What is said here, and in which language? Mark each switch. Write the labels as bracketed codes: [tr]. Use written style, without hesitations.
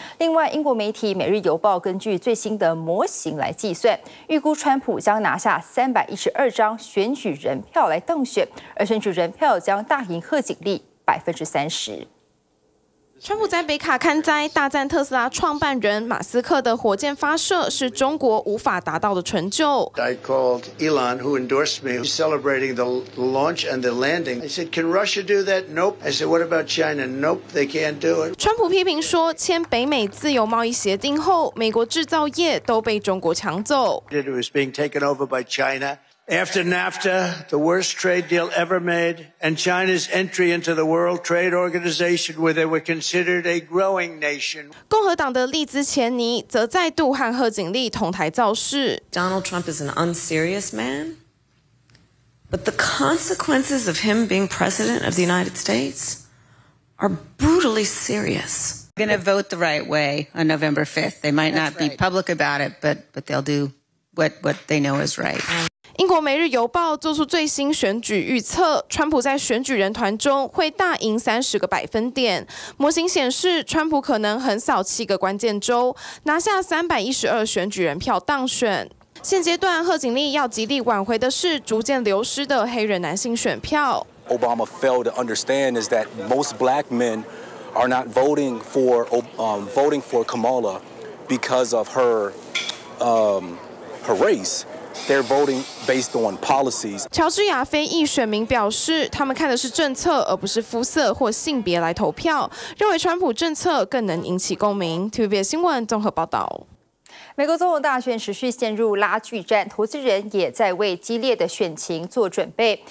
[zh] 另外，英国媒体《每日邮报》根据最新的模型来计算，预估川普将拿下312张选举人票来当选，而选举人票将大赢贺锦丽30%。川普在北卡看灾，大赞特斯拉创办人马斯克的火箭发射是中国无法达到的成就。 [en] I called Elon, who endorsed me, celebrating the launch and the landing. I said, "Can Russia do that?" Nope. I said, "What about China?" Nope. They can't do it. [zh] 川普批评说，签北美自由贸易协定后，美国制造业都被中国抢走。 [en] It was being taken over by China. After NAFTA, the worst trade deal ever made, and China's entry into the World Trade Organization, where they were considered a growing nation. [zh] 共和党的利兹·钱尼则再度和贺锦丽同台造势。 [en] Donald Trump is an unserious man, but the consequences of him being president of the United States are brutally serious. They're going to vote the right way on November 5th. They might not be public about it, but they'll do what they know is right. [zh] 英国《每日邮报》做出最新选举预测，川普在选举人团中会大赢30%。模型显示，川普可能横扫7个关键州，拿下312选举人票当选。现阶段，贺锦丽要极力挽回的是逐渐流失的黑人男性选票。 [en] Obama failed to understand is that most black men are not voting for Kamala because of her race. They're voting based on policies. [zh] 乔治亚非裔选民表示，他们看的是政策，而不是肤色或性别来投票，认为川普政策更能引起共鸣。 TVBS 新闻综合报道。美国总统大选持续陷入拉锯战，投资人也在为激烈的选情做准备。